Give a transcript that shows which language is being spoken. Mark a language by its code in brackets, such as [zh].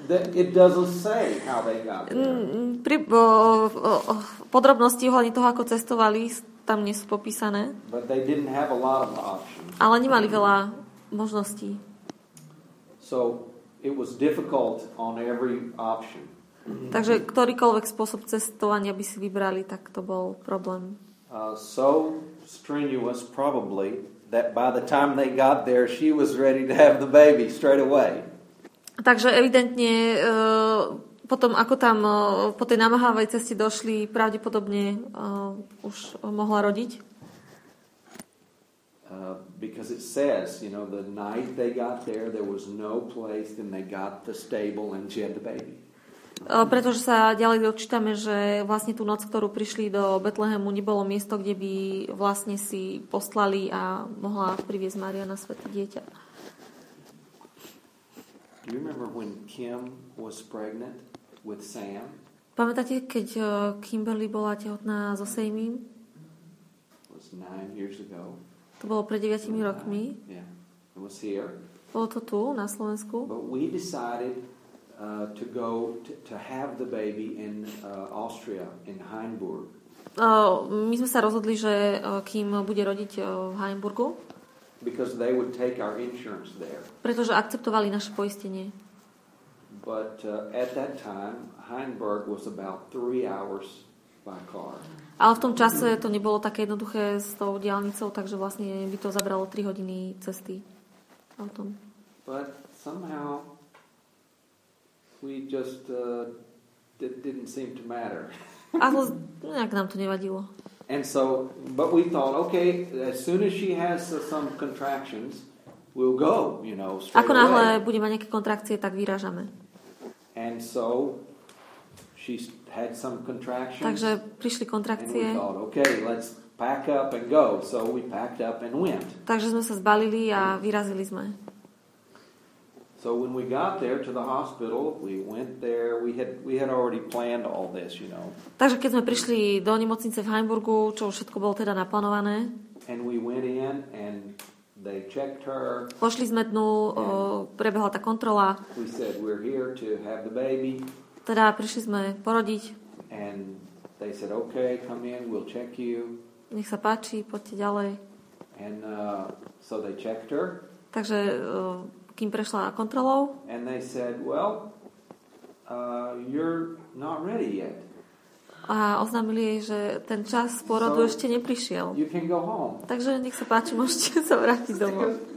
[en] It doesn't say how they got there. [sk] Podrobnosti ohľadne toho, ako cestovali, tam nie sú popísané. [en] But they didn't have a lot of options. [sk] Ale nemali veľa možností. [en] So it was difficult on every option. [sk] Takže ktorýkoľvek spôsob cestovania by si vybrali, tak to bol problém. [en] So strenuous probably that by the time they got there she was ready to have the baby straight away. [sk] Takže evidentne potom ako tam po tej namáhavej ceste došli, pravdepodobne už mohla rodiť. [en] Because it says, you know, the night they got there there was no place and they got the stable and she had the baby. [sk] Pretože sa ďalej dočítame, že vlastne tú noc, ktorú prišli do Betlehemu, nebolo miesto, kde by vlastne si poslali a mohla priviesť Mária na svet dieťa. [en] Do you remember when Kim was pregnant with Sam? [sk] Pamätáte, keď Kimberly bola tehotná so Samim? [en] It was 9 years ago. [sk] To bolo pred 9 rokmi. [en] Yeah. It was here. [sk] Bolo to tu, na Slovensku. [en] But we decided to go to have the baby in Austria in Hainburg. [sk] My sme sa rozhodli, že kým bude rodiť v Hainburgu. [en] Because they would take our insurance there. [sk] Pretože akceptovali naše poistenie. [en] But at that time Hainburg was about 3 hours by car. [sk] Ale v tom čase to nebolo také jednoduché s tou diaľnicou, takže vlastne by to zabralo 3 hodiny cesty autom. [en] But somehow we just didn't seem to matter. [sk] Ale nejak nám to nevadilo. [en] And so, but we thought, okay, as soon as she has some contractions, we'll go, you know, straight away. [sk] Ako náhle bude mať nejaké kontrakcie, tak vyrážame. [en] And so she had some contractions. [sk] Takže prišli kontrakcie. [en] And we thought, okay, let's pack up and go. So we packed up and went. [sk] Takže sme sa zbalili a vyrazili sme. [en] So when we got there to the hospital, we went there. We had already planned all this, you know. [sk] Takže keď sme prišli do nemocnice v Hamburgu, čo už všetko bolo teda naplánované. [en] And we went in and they checked her. [sk] Pošli sme dnu, prebehla tá kontrola. [en] We said we're here to have the baby. [sk] Teda prišli sme porodiť. [en] And they said okay, come in, we'll check you. [sk] Nech sa páči, poďte ďalej. [en] And so they checked her. [sk] Takže kým prešla kontrolou. [en] And they said, well, you're not ready yet. [sk] A oznámili jej, že ten čas porodu ešte neprišiel. [en] You can go home. [sk] Takže nech sa páči, môžete sa vrátiť domov.